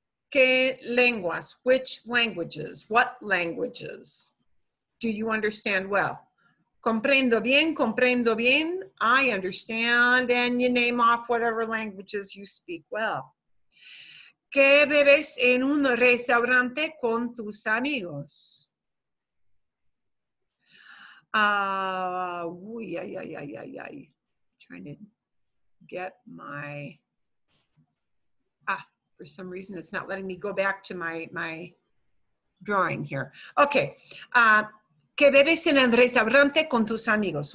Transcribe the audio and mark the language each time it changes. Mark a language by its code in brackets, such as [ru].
[es] ¿Qué lenguas? [en] Which languages? What languages do you understand well? [es] Comprendo bien, comprendo bien. [en] I understand. And you name off whatever languages you speak well. [es] ¿Qué bebes en un restaurante con tus amigos? [en] Trying to get my... for some reason, it's not letting me go back to my drawing here. Okay. [es] ¿Qué bebes en el restaurante con tus amigos?